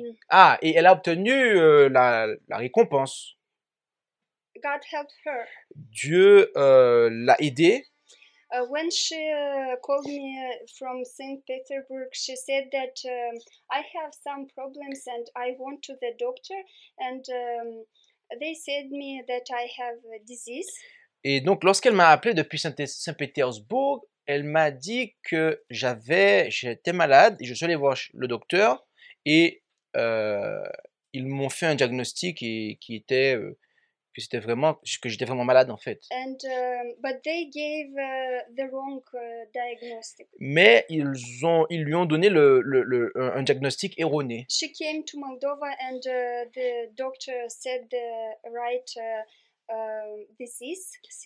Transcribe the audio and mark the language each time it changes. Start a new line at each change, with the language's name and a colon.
French: Ah, et elle a obtenu la récompense.
English: God helped her.
French: Dieu l'a aidée.
English: When she called me from Saint Petersburg, she said that I have some problems and I went to the doctor and they said me that I have a disease.
French: Et donc lorsqu'elle m'a appelé depuis Saint Petersburg, elle m'a dit que j'étais malade et je suis allé voir le docteur. Et ils m'ont fait un diagnostic que j'étais vraiment malade en fait.
English: And, but they gave the wrong diagnostic.
French: Mais ils lui ont donné un diagnostic erroné.
English: She came to Moldova and the doctor said the right disease.